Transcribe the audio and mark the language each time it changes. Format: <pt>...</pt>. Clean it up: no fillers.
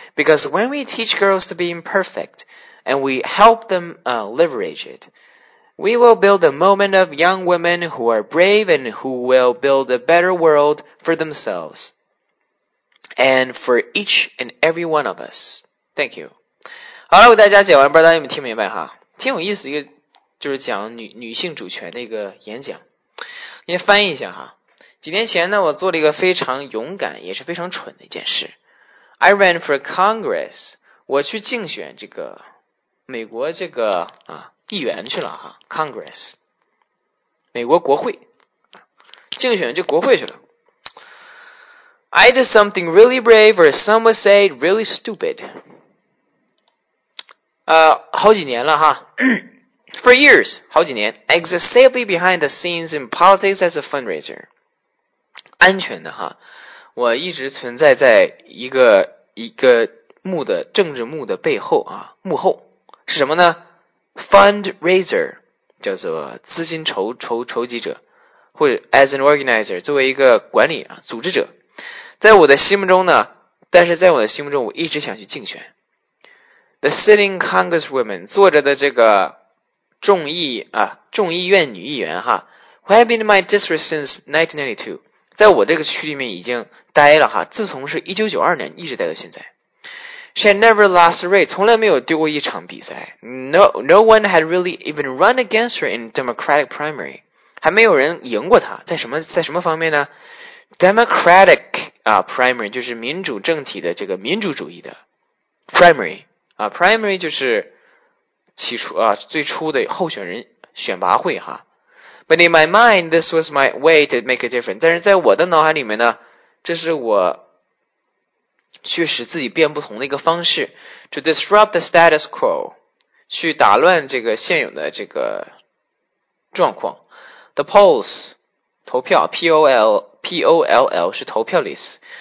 <en>Because when we teach girls to be imperfect, and we help them leverage it, we will build a moment of young women who are brave and who will build a better world for themselves. And for each and every one of us. Thank you.</en> <zh>好了，我给大家讲完，不知道大家有没有听明白哈？挺有意思，一个就是讲女性主权的一个演讲。给你翻译一下哈。几年前呢，我做了一个非常勇敢也是非常蠢的一件事。</zh> <en>I ran for Congress.</en> <zh>我去竞选这个美国这个议员去了哈。 Congress. 美国国会。竞选这国会去了。</zh> <en>I did something really brave, or some would say really stupid.</en> <zh>好几年了哈。</zh> <en>For years,</en> <zh>好几年,</zh> <en>I exist safely behind the scenes in politics as a fundraiser.</en> <zh>安全的哈。我一直存在在一个幕的政治幕的背后啊，幕后。是什么呢? Fundraiser, 叫做资金筹集者。或者</zh> <en>as an organizer,</en> <zh>作为一个管理啊，组织者。在我的心目中呢，但是在我的心目中，我一直想去竞选。</zh> <en>The sitting congresswoman,</en> <zh>坐着的这个众议院女议员哈 ,</zh> <en>who have been in my district since 1992,</en> <zh>在我这个区里面已经待了哈，自从是1992年一直待到现在。</zh> <en>She had never lost a race,</en> <zh>从来没有丢过一场比赛。</zh> <en>No one had really even run against her in Democratic primary,</en> <zh>还没有人赢过她，在什么方面呢？ Democratic, primary, 就是民主政体的这个民主主义的 primary, primary 就是起初啊最初的候选人选拔会哈。</zh> <en>But in my mind, this was my way to make a difference.</en> <zh>但是在我的脑海里面呢，这是我去使自己变不同的一个方式 ,</zh> <en>to disrupt the status quo,</en> <zh>去打乱这个现有的这个状况。 The polls, 投票 ,POLL 是投票的意思。</zh>